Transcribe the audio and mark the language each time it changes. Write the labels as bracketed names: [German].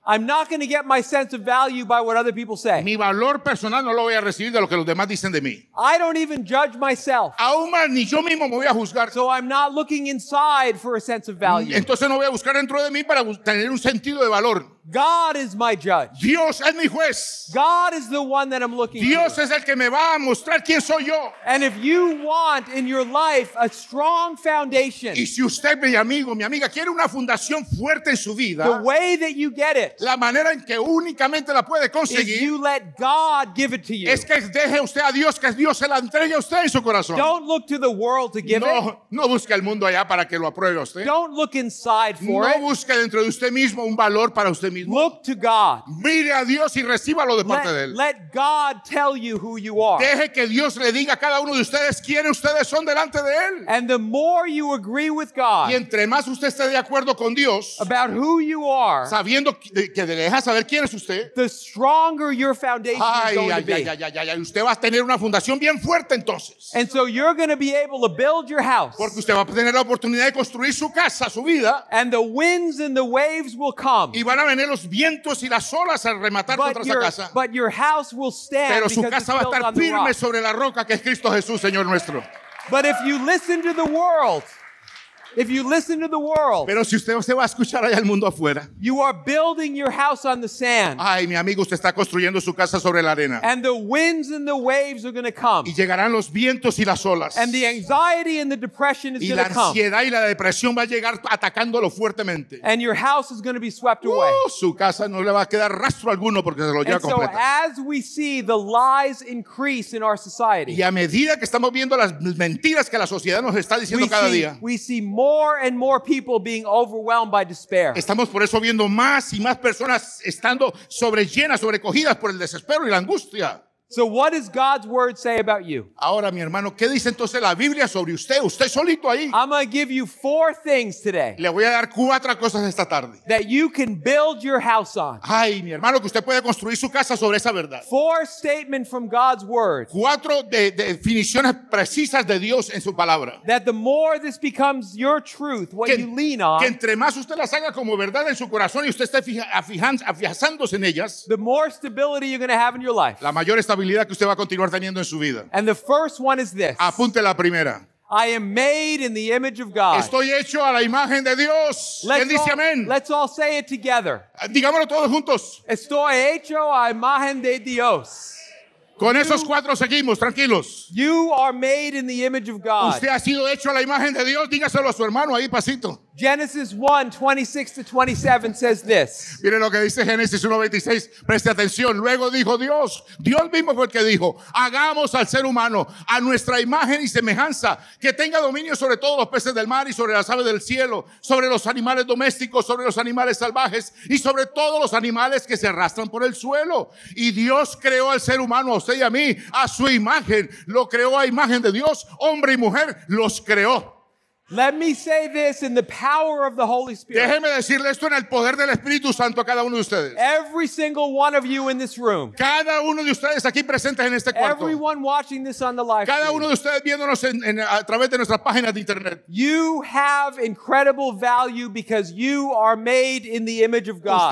[English] I'm not going to get my sense of value by what other people say. [Spanish] Mi valor personal no lo voy a recibir de lo que los demás dicen de mí. [English] I don't even judge myself. [Spanish] Aún más, ni yo mismo me voy a juzgar. [English] So I'm not looking inside for a sense of value. [Spanish] Entonces no voy a buscar dentro de mí para tener un sentido de valor. [English] God is my judge. [Spanish] Dios es mi juez. [English] God is the one that I'm looking for. [Spanish] Dios es el que me va a mostrar quién soy yo. [English] And if you want in your life a strong foundation, [Spanish] y si usted, mi amigo, mi amiga, quiere una fundación fuerte en su vida, [English] the way that you get it, [Spanish] la manera en que únicamente la puede conseguir, [English] is you let God give it to you. [Spanish] Es que deje usted a Dios, que Dios se la entregue a usted en su corazón. [English] Don't look to the world to give [Spanish] no, [English] it. [Spanish] No busque el mundo allá para que lo apruebe usted. [English] Don't look inside for [Spanish] no [English] it. [Spanish] No busque dentro de usted mismo un valor para usted. [English] Look to God. [Spanish] Mire a Dios y recíbalo de parte de él. [English] Let God tell you who you are. [Spanish] Deje que Dios le diga a cada uno de ustedes quiénes ustedes son delante de él. [English] And the more you agree with God, [Spanish] y entre más usted esté de acuerdo con Dios, [English] about who you are, [Spanish] sabiendo que deja saber quién es usted, [English] the stronger your foundation is going to be. [Spanish] Ay, usted va a tener una fundación bien fuerte entonces. [English] And so you're going to be able to build your house. [Spanish] Porque usted va a tener la oportunidad de construir su casa, su vida. [English] And the winds and the waves will come. [Spanish] Y van a venir los vientos y las olas a rematar [English] but [Spanish] contra esa casa. [English] But your house will stand. [Spanish] Pero su casa va a estar firme sobre la roca que es Cristo Jesús, Señor nuestro. [English] But if you listen to the world, if you listen to the world, [Spanish] pero si usted se va a escuchar allá el mundo afuera, [English] you are building your house on the sand. [Spanish] Ay, mi amigo, usted está construyendo su casa sobre la arena. [English] And the winds and the waves are going to come. [Spanish] Y llegarán los vientos y las olas. [English] And the anxiety and the depression is going to come. [Spanish] Y la ansiedad y la depresión va a llegar atacándolo fuertemente. [English] And your house is going to be swept away. [Spanish] Su casa no le va a quedar rastro alguno porque se lo lleva completo. [English] And so as we see the lies increase in our society, [Spanish] y a medida que estamos viendo las mentiras que la sociedad nos está diciendo cada día, [English] we see more and more people being overwhelmed by despair. [Spanish] Estamos por eso viendo más y más personas estando sobrellenas, sobrecogidas por el desespero y la angustia. [English] So what does God's word say about you? [Spanish] Ahora, mi hermano, ¿qué dice entonces la Biblia sobre usted? Usted solito ahí. [English] I'm going to give you four things today. [Spanish] Le voy a dar cuatro cosas esta tarde. [English] That you can build your house on. [Spanish] Ay, mi hermano, que usted puede construir su casa sobre esa verdad. [English] Four statements from God's word. [Spanish] Cuatro definiciones precisas de Dios en su palabra. [English] That the more this becomes your truth, what you lean on. [Spanish] Que entre más usted las haga como verdad en su corazón y usted esté afianzándose en ellas. [English] The more stability you're going to have in your life. [Spanish] La mayor estabilidad que usted va a continuar teniendo en su vida. [English] And the first one is this. [Spanish] Apunte la primera. [English] I am made in the image of God. [Spanish] Estoy hecho a la imagen de Dios. ¿Quién dice amén? [English] Let's all say it together. [Spanish] Digámoslo todos juntos. Estoy hecho a imagen de Dios. Con esos cuatro seguimos, tranquilos. [English] You are made in the image of God. [Spanish] Usted ha sido hecho a la imagen de Dios. Dígaselo a su hermano ahí, pasito. [English] Genesis 1:26-27 says this. [Spanish] Mire lo que dice Génesis 1:26. Preste atención. Luego dijo Dios. Dios mismo fue el que dijo: hagamos al ser humano a nuestra imagen y semejanza, que tenga dominio sobre todos los peces del mar y sobre las aves del cielo, sobre los animales domésticos, sobre los animales salvajes y sobre todos los animales que se arrastran por el suelo. Y Dios creó al ser humano, a usted y a mí, a su imagen. Lo creó a imagen de Dios. Hombre y mujer los creó. [English] Let me say this in the power of the Holy Spirit. [Spanish] Déjeme decirle esto en el poder del Espíritu Santo a cada uno de ustedes. [English] Every single one of you in this room. [Spanish] Cada uno de ustedes aquí presentes en este cuarto. [English] Everyone watching this on the live. [Spanish] Cada uno de ustedes viéndonos en a través de nuestras páginas de internet. [English] You have incredible value because you are made in the image of God.